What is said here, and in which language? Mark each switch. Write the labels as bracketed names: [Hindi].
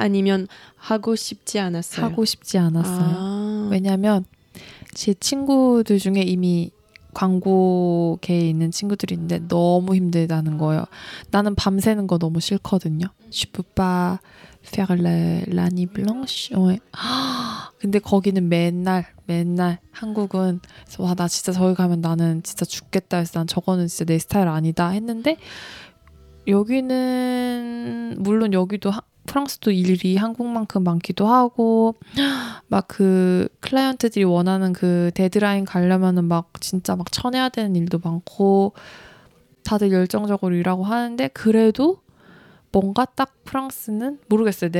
[Korean] 아니면 하고 싶지 않았어요? 하고 싶지 않았어요. 왜냐면 제 친구들 중에 이미 광고계에 있는 친구들이 있는데 너무 힘들다는 거예요. 나는 밤새는 거 너무 싫거든요. [French] Je peux pas faire la nuit blanche. [Korean] 근데 거기는 맨날 한국은 와 나 진짜 저기 가면 나는 진짜 죽겠다 해서 난 저거는 진짜 내 스타일 아니다 했는데 여기는 물론 여기도 프랑스도 일이 한국만큼 많기도 하고 막 그 클라이언트들이 원하는 그 데드라인 가려면은 막 진짜 막 쳐내야 되는 일도 많고 다들 열정적으로 일하고 하는데 그래도 뭔가 딱 프랑스는 모르겠어요.